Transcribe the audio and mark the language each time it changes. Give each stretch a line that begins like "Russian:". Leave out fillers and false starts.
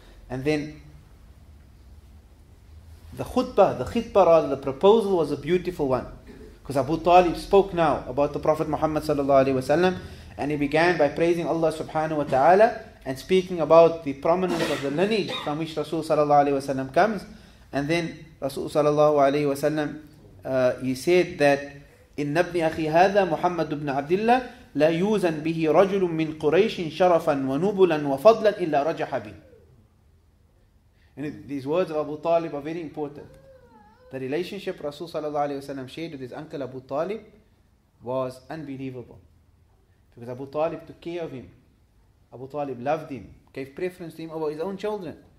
English: And then the khitbah, the proposal was a beautiful one. Because Abu Talib spoke now about the Prophet Muhammad sallallahu alaihi wasallam, and he began by praising Allah subhanahu wa ta'ala and speaking about the prominence of the lineage from which Rasul sallallahu alaihi wasallam comes. And then Rasul sallallahu alaihi wasallam, he said that
Arabic: إِنَّ ابْنِ أَخِي هَذَا مُحَمَّدُ بْنَ عَبْدِ اللَّهِ لَا يُوزَنْ بِهِ رَجُلٌ مِّنْ قُرَيْشٍ شَرَفًا وَنُبُلًا وَفَضْلًا إِلَّا رَجَحَ بِهِ.
English: And these words of Abu Talib are very important. The relationship Rasul sallallahu alayhi wa sallam shared with his uncle Abu Talib was unbelievable. Because Abu Talib took care of him. Abu Talib loved him, gave preference to him over his own children.